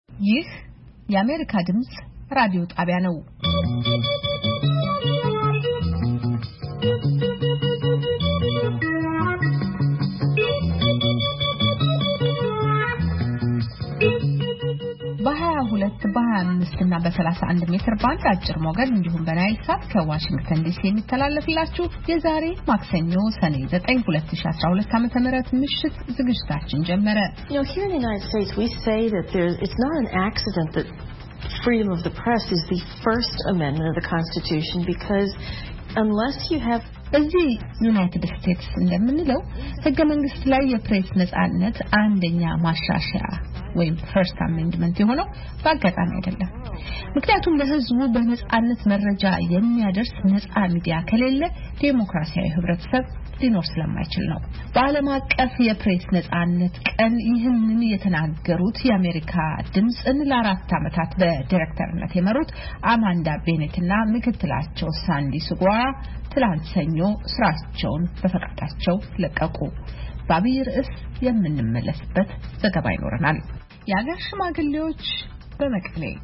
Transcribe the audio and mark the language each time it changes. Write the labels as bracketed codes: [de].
[am] ይህ የአሜሪካ ድምጽ ራዲዮ ጣቢያ ነው። በ25ና በ31 ሜትር ባንድ አጭር ሞገድ እንዲሁም በናይልሳት ከዋሽንግተን ዲሲ የሚተላለፍላችሁ የዛሬ ማክሰኞ ሰኔ 9/2012 ዓ.ም ተመረጥ ምሽት ዝግጅታችን ጀመረ። [en] You know, here in the United States we say that it's not an accident that freedom of the press is the first amendment of the constitution because unless you have [am] እዚህ ዩናይትድ ስቴትስ እንደምንለው ህገ መንግስት ላይ የፕሬስ ነጻነት አንደኛ ማሻሻያ ወይም ፈርስት አሜንድመንት የሆነው ባጋጣሚ አይደለም። ምክንያቱም ለህዝቡ በነጻነት መረጃ የሚያደርስ ነጻ ሚዲያ ከሌለ ዴሞክራሲያዊ ህብረተሰብ ሊኖር ስለማይችል ነው። በዓለም አቀፍ የፕሬስ ነጻነት ቀን ይህንን የተናገሩት የአሜሪካ ድምጽን ለአራት አመታት በዳይሬክተርነት የመሩት አማንዳ ቤኔትና ምክትላቸው ሳንዲ ስጓ ትላንት ሰኞ ስራቸውን በፈቃዳቸው ለቀቁ። ባቢርስ የምንመለስበት ዘገባ ይኖረናል። ያገር ሽማግሌዎች በመቀሌ